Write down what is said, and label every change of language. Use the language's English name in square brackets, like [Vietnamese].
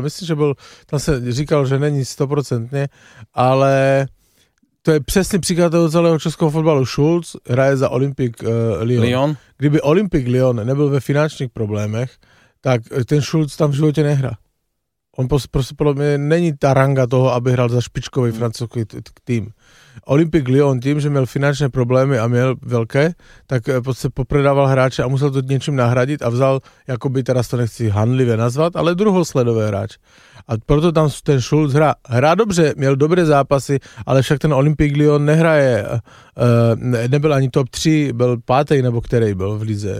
[Slovak] Myslím, že bol, tam sa říkal, že není 100%, ale to je presný príklad toho celého českého fotbalu. [Czech] Šulc hraje za Olympique Lyon. Kdyby Olympique Lyon nebyl ve finančných problémech, tak ten Šulc tam v živote nehrá. [Slovak] On proste podľa mňa není tá ranga toho, aby hral za špičkový francúzsky tým. [Czech] Olympique Lyon tým, že měl finančné problémy a měl veľké, tak se popredával hráče a musel to něčím nahradit a vzal, jakoby teraz to nechci hanlivě nazvat, ale druhosledový hráč. A proto tam ten Schulz hrá dobře, měl dobré zápasy, ale však ten Olympique Lyon nehraje, nebyl ani top 3, byl pátej nebo který byl v lize.